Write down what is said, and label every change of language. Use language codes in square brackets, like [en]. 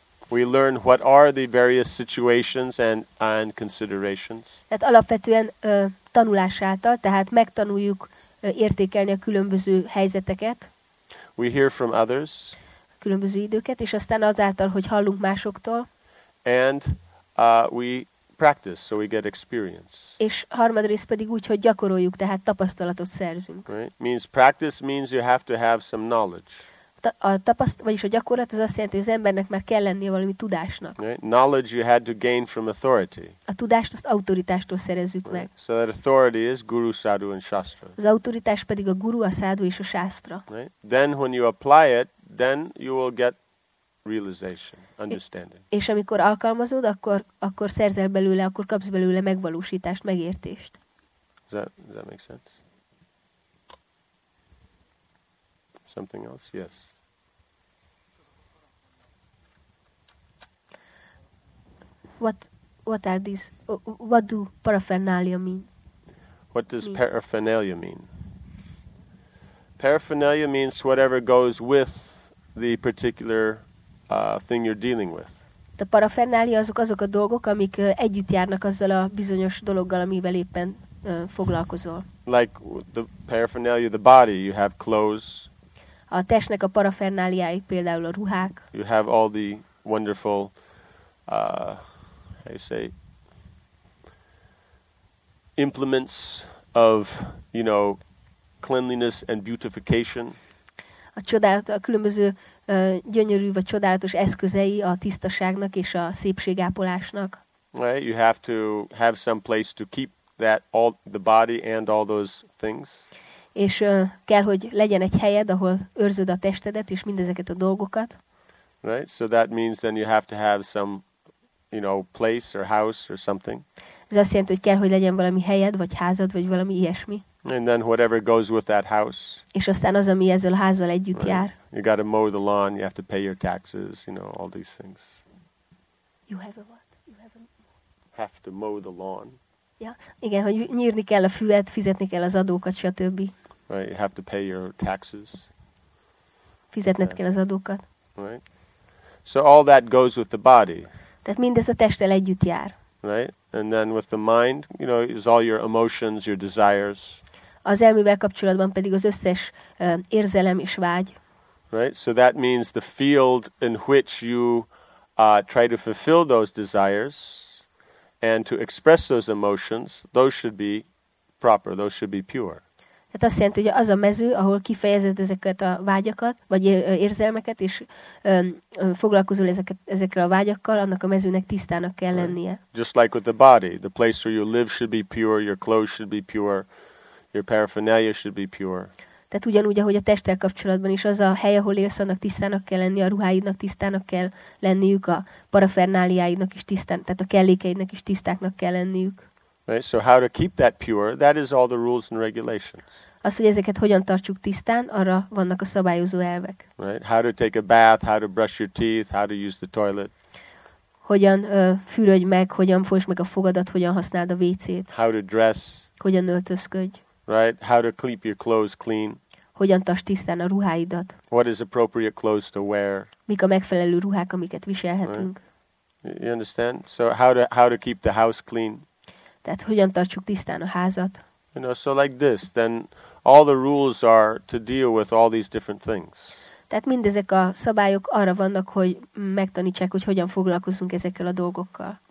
[en] We learn what are the various situations and considerations. [hu] Tehát alapvetően tanulás által, tehát megtanuljuk értékelni a különböző helyzeteket. [en] We hear from others. [hu] Különböző időket, és aztán azáltal, hogy hallunk másoktól. [en] And we practice, so we get experience. [hu] És harmadrészt pedig úgy, hogy gyakoroljuk, tehát tapasztalatot szerzünk. [en] Right? Means practice means you have to have some knowledge. [hu] Vagyis a gyakorlat az azt jelenti, hogy az embernek már kell lennie valami tudásnak. [en] Right? Knowledge you had to gain from authority. [hu] A tudást azt autoritástól szerezzük [en] right? [hu] meg. [en] So that authority is guru, sadhu and shastra. [hu] Az autoritás pedig a guru, a sadhu és a shastra. [en] Right? Then when you apply it, then you will get realization, understanding. [hu] És amikor alkalmazod, akkor szerzel belőle, akkor kapsz belőle megvalósítást, megértést. [en] Does that make sense? Something else? Yes. What are these? What do paraphernalia mean? What does paraphernalia mean? Paraphernalia means whatever goes with the particular thing you're dealing with. [hu] A paraphernalia azok a dolgok, amik együtt járnak azzal a bizonyos dologgal, amivel éppen foglalkozol. [en] Like the paraphernalia, the body, you have clothes. [hu] A testnek a paraferneliái, például a ruhák. [en] You have all the wonderful, how you say, implements of, you know, cleanliness and beautification. [hu] A csodálat, a különböző gyönyörű vagy csodálatos eszközei a tisztaságnak és a szépségápolásnak. [en] Right, you have to have some place to keep that all the body and all those things. [hu] És kell, hogy legyen egy helyed, ahol őrzöd a testedet és mindezeket a dolgokat. [en] Right, so that means then you have to have some, you know, place or house or something. [hu] Ez azt jelenti, hogy kell, hogy legyen valami helyed, vagy házad, vagy valami ilyesmi. [en] And then whatever goes with that house. [hu] És aztán az, ami ezzel a házzal együtt [en] right. [hu] jár. [en] You got to mow the lawn, you have to pay your taxes, you know, all these things. You have a what? You have a... Have to mow the lawn. [hu] Ja, igen, hogy nyírni kell a füvet, fizetni kell az adókat, stb. [en] Right, you have to pay your taxes. [hu] Fizetned kell az adókat. [en] Right. So all that goes with the body. [hu] Tehát mindez a testtel együtt jár. [en] Right. And then with the mind, you know, is all your emotions, your desires. [hu] Az elmével kapcsolatban pedig az összes érzelem és vágy. [en] Right. So that means the field in which you try to fulfill those desires. And to express those emotions, those should be proper, those should be pure. [hu] Hát azt jelenti, hogy az a mező, ahol kifejezed ezeket a vágyakat, vagy érzelmeket, és foglalkozol ezekre a vágyakkal, annak a mezőnek tisztának kell lennie. [en] Just like with the body, the place where you live should be pure, your clothes should be pure, your paraphernalia should be pure. [hu] Tehát ugyanúgy, ahogy a testtel kapcsolatban is, az a hely, ahol élsz, annak tisztának kell lenni, a ruháidnak tisztának kell lenniük, a parafernáliáidnak is tisztának, tehát a kellékeidnek is tisztáknak kell lenniük. [en] Right, so how to keep that pure, that is all the rules and regulations. [hu] Az, hogy ezeket hogyan tartsuk tisztán, arra vannak a szabályozó elvek. [en] Right, how to take a bath, how to brush your teeth, how to use the toilet. [hu] Hogyan fürödj meg, hogyan fosd meg a fogadat, hogyan használd a WC-t. [en] How to dress. [hu] Hogyan öltözködj. [en] Right, how to keep your clothes clean. [hu] Hogyan tartsd tisztán a ruháidat. [en] What is appropriate clothes to wear. [hu] Mik a megfelelő ruhák, amiket viselhetünk. [en] Right. You understand? So how to keep the house clean. [hu] Tehát hogyan tartsuk tisztán a házat? [en] You know, so like this, then all the rules are to deal with all these different things. [hu] Tehát mindezek a szabályok arra vannak, hogy megtanítsák, hogy hogyan foglalkozunk ezekkel a dolgokkal.